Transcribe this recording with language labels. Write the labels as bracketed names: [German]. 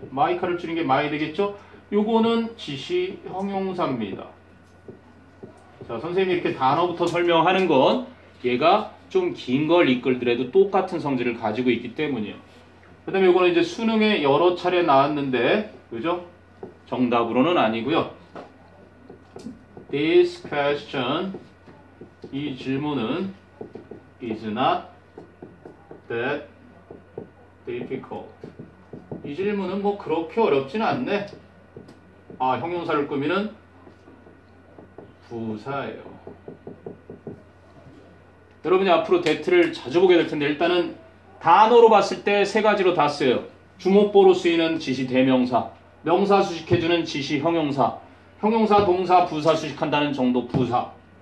[Korean] My car을 줄인 게 my 되겠죠? 요거는 지시 형용사입니다. 자, 선생님이 이렇게 단어부터 설명하는 건 얘가 좀 긴 걸 이끌더라도 똑같은 성질을 가지고 있기 때문이에요. 그 다음에 요거는 이제 수능에 여러 차례 나왔는데, 그죠? 정답으로는 아니고요. [English] This question, [Korean] 이 질문은 [English] is not that difficult. [Korean] 이 질문은 뭐 그렇게 어렵진 않네. 아, 형용사를 꾸미는 부사예요. 여러분이 앞으로 that를 자주 보게 될 텐데 일단은 단어로 봤을 때 세 가지로 다 써요. 주목보로 쓰이는 지시 대명사, 명사 수식해주는 지시 형용사, 형용사, 동사, 부사 수식한다는 정도 부사.